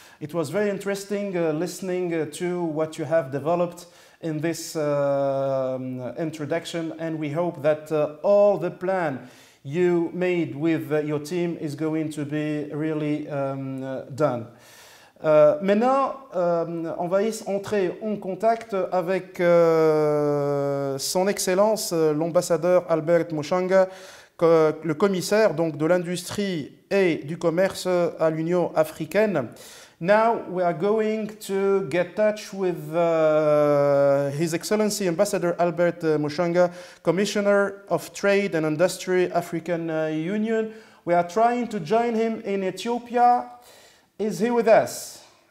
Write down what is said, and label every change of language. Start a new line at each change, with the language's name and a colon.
English: It was very interesting listening to what you have developed in this introduction, and we hope that all the plan you made with your team is going to be really done.
French: Maintenant, on va entrer en contact avec son Excellence, l'ambassadeur Albert Mushanga, le commissaire donc de l'industrie et du commerce à l'Union africaine.
English: Now we are going to get touch with His Excellency Ambassador Albert Mushanga, Commissioner of Trade and Industry African Union. We are trying to join him in Ethiopia. Is he with us?